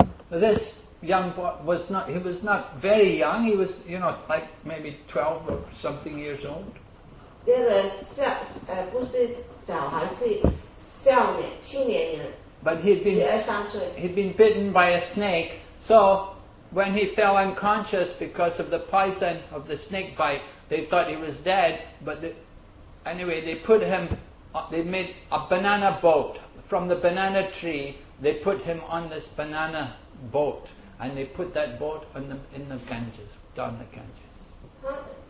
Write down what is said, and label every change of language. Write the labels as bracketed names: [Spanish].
[English] This young boy was not, he was not very young. He was, you know, like maybe 12 or something years old. [Chinese] 小孩是少年，青年人，十二三岁。 [English] He'd been bitten by a snake, so when he fell unconscious because of the poison of the snake bite, they thought he was dead. But anyway, they put him. They made a banana boat from the banana tree. They put him on this banana boat, and they put that boat in the Ganges, down the Ganges.